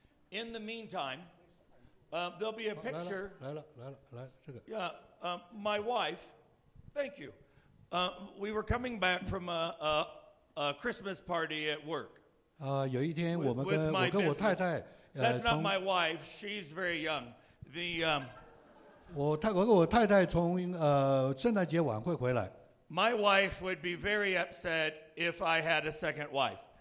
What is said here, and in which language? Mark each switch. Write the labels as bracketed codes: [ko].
[en] In the meantime, there'll be a picture. [zh] 来了这个。 [en] Yeah, my wife, thank you. We were coming back from a Christmas party at work. [zh] 有一天我们跟我跟我太太。 [en] That's not my wife. She's very young. The [zh] 我跟我太太从圣诞节晚会回来。 [en] My wife would be very upset if I had a second wife.